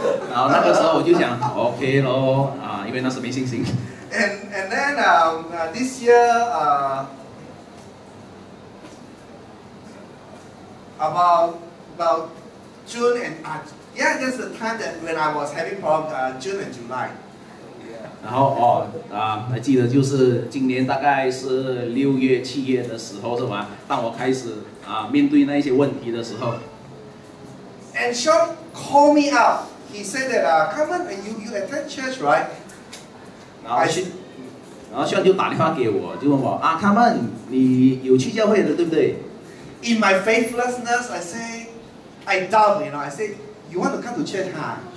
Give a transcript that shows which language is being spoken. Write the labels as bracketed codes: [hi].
[zh] 然后那个时候我就想，OK 咯，因为那时没信心。 [en] And And then this year, about June and that's the time that when I was having problems, June and July. [zh] 然后还记得就是今年大概是六月七月的时候是吗？当我开始面对那一些问题的时候 [en] ，And Sean called me up. He said that come on, you attend church, right? [zh] 然后Sean就打电话给我，就问我啊 ， [en] come on, [zh] 你有去教会的对不对 [en] ？In my faithlessness, I say, I doubt. You know, I say, you want to come to church, huh?